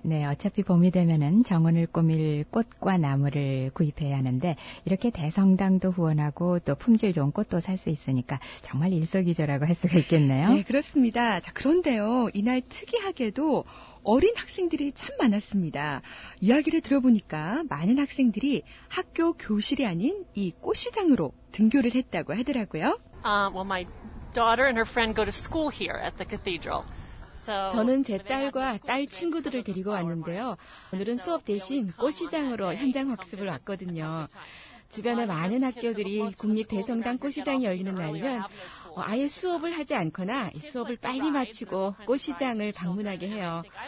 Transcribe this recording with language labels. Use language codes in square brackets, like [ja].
[ko] 네, 어차피 봄이 되면은 정원을 꾸밀 꽃과 나무를 구입해야 하는데 이렇게 대성당도 후원하고 또 품질 좋은 꽃도 살 수 있으니까 정말 일석이조라고 할 수가 있겠네요. 네, 그렇습니다. 자, 그런데요, 이날 특이하게도 어린 학생들이 참 많았습니다. 이야기를 들어보니까 많은 학생들이 학교 교실이 아닌 이 꽃시장으로 등교를 했다고 하더라고요. [en] Well, my daughter and her friend go to school here at the cathedral. [ko] 저는 제 딸과 딸 친구들을 데리고 왔는데요. 오늘은 수업 대신 꽃시장으로 현장 학습을 왔거든요. 주변에 많은 학교들이 국립대성당 꽃시장이 열리는 날이면 아예 수업을 하지 않거나 수업을 빨리 마치고 꽃시장을 방문하게 해요.